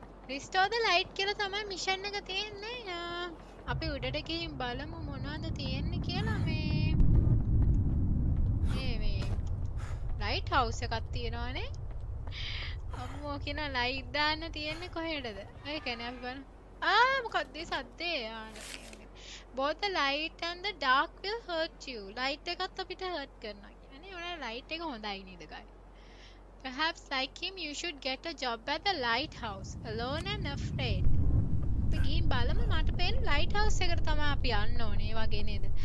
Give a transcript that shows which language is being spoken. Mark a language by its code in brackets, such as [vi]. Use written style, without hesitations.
[en] Restore the light [si] කියලා තමයි mission එක තියෙන්නේ. අපි උඩට ගිහින් බලමු මොනවද තියෙන්නේ කියලා. මේ light house එකක් තියෙනවානේ. අම්මෝ කියන light දාන්න තියෙන්නේ කොහෙදද? ඒකනේ අපි බලමු. ආ මොකක්ද මේ සද්දේ? [en] both the light and the dark will hurt you. [si] Light එකත් අපිට hurt කරනවා කියන්නේ ඔයාලා light එක හොඳයි නේද ගයි. [en] Perhaps like him you should get a job at the lighthouse alone and afraid. [si] අපි ගිහින් බලමු මට පේන lighthouse එකට තමයි අපි යන්න ඕනේ වගේ නේද.